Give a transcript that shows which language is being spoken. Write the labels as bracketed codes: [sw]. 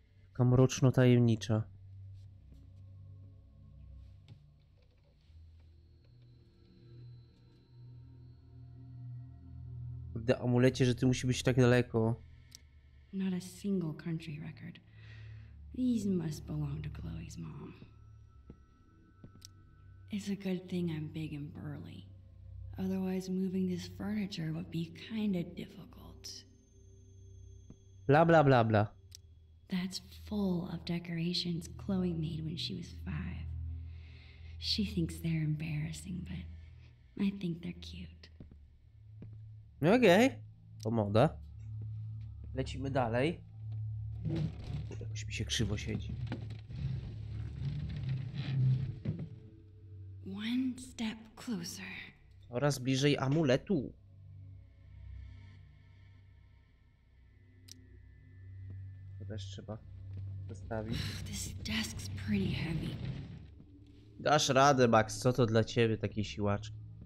[pl] Taka mroczno tajemnicza. Kurde, amulecie, że ty musi być tak daleko. [en] Not a single country record. These must belong to Chloe's mom. It's a good thing I'm big and burly. Otherwise moving this furniture would be kinda difficult. Bla bla bla bla. That's full of decorations Chloe made when she was five. She thinks they're embarrassing, but I think they're cute. [pl] Okej. To moda. Lecimy dalej. Jakoś mi się krzywo siedzi. [en] One step closer. [pl] Oraz bliżej amuletu. To też trzeba zostawić. [en] This desk's pretty heavy. [pl] Dasz radę, Max, co to dla ciebie takie siłaczki?